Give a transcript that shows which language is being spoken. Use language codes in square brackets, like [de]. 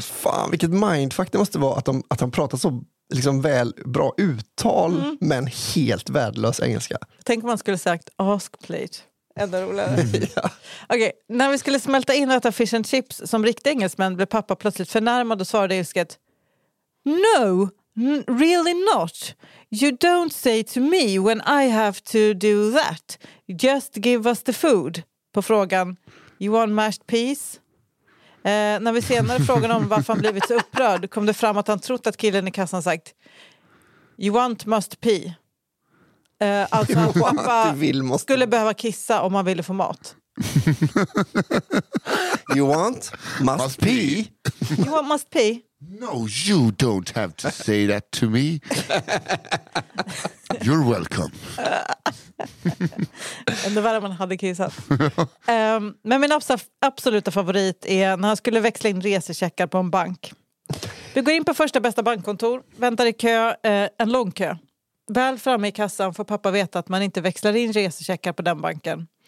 [sv] Fan, vilket mindfuck det måste vara att de pratar så liksom väl bra uttal men helt värdelös engelska. Tänk om man skulle sagt ask plate. Ändå roligare. Ja. Okej, när vi skulle smälta in och äta fish and chips som riktig engelsmän blev pappa plötsligt förnärmad och svarade ilsket [en] "No, really not. You don't say to me when I have to do that. Just give us the food." [sv] På frågan [en] "You want mashed peas?" [sv] När vi senare frågade om varför han blivit så upprörd kom det fram att han trott att killen i kassan sagt [en] "You want must pee." [sv] Alltså att pappa vill, måste skulle behöva kissa om man ville få mat. [en] "You want must pee." "You want must pee." "No, you don't have to say that to me. You're welcome." [sv] Ändå värre om man hade kissat. Men min absoluta favorit är när han skulle växla in resecheckar på en bank. Vi går in på första bästa bankkontor, väntar i kö, en lång kö. Väl framme i kassan får pappa veta att man inte växlar in resecheckar på den banken.